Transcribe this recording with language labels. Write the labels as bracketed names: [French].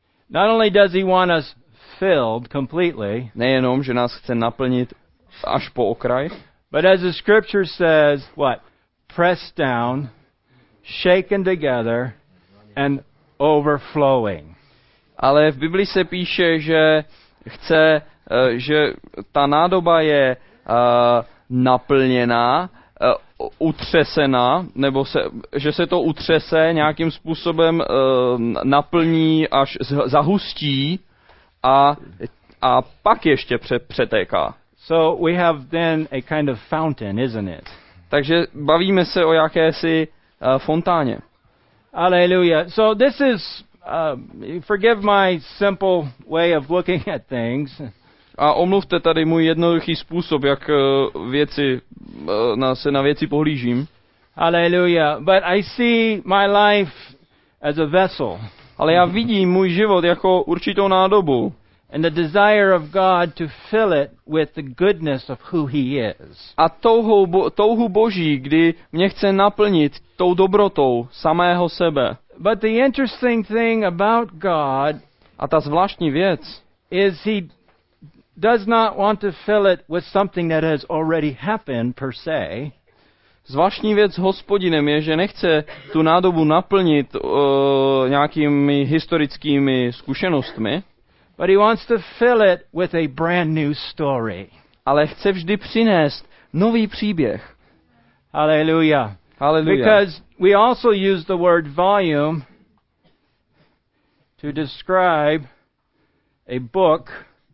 [English] Not only does he want us filled completely, [Czech] nejenom že nás chce naplnit až po okraj, [English] but as the scripture says, what? Pressed down, shaken together and overflowing. [Czech] Ale v Bibli se píše, že chce, že ta nádoba je naplněná, utřesená, nebo že se to utřese nějakým způsobem, naplní až zahustí a pak ještě přetéká. [English] So we have then a kind of fountain, isn't it? [Czech] Takže bavíme se o jakési fontáně. [English] Hallelujah. So this is forgive my simple way of looking at things. [Czech] A omluvte tady můj jednoduchý způsob, jak se na věci pohlížím. Hallelujah. [English] But I see my life as a vessel. [Czech] Ale já vidím můj život jako určitou nádobu. [English] And the desire of God to fill it with the goodness of who he is. [Czech] A touhu Boží, kdy mě chce naplnit tou dobrotou samého sebe. [English] But the interesting thing about God, [Czech] a ta zvláštní věc, [English] is he does not want to fill it with something that has already happened per se. [Czech] Zvláštní věc s Hospodinem je, že nechce tu nádobu naplnit nějakými historickými zkušenostmi. [English] But he wants to fill it with a brand new story. [Czech] Ale chce vždy přinést nový příběh. Hallelujah. Hallelujah. [English] Because we also use the word volume to describe a book.